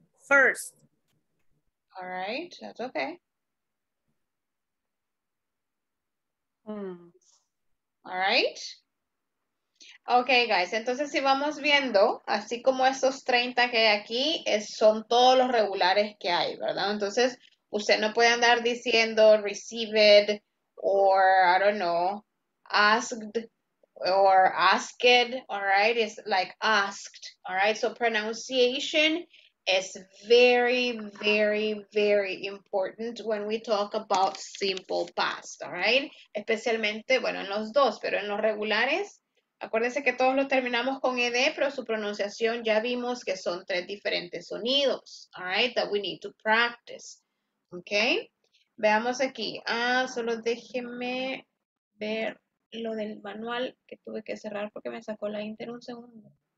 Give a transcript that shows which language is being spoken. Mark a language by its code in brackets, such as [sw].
[en] All right, that's okay. All right. Okay, guys, [es] entonces si vamos viendo, así como estos 30 que hay aquí, son todos los regulares que hay, ¿verdad? Entonces, usted no puede andar diciendo [en] received or, I don't know, asked or asked, all right? It's like asked, all right? So pronunciation is very, very, very important when we talk about simple past, all right? [es] Especialmente, bueno, en los dos, pero en los regulares, acuérdense que todos los terminamos con ED, pero su pronunciación ya vimos que son tres diferentes sonidos, [en] all right? That we need to practice, okay? [es] Veamos aquí. Ah, solo déjeme ver lo del manual que tuve que cerrar porque me sacó la Inter un segundo.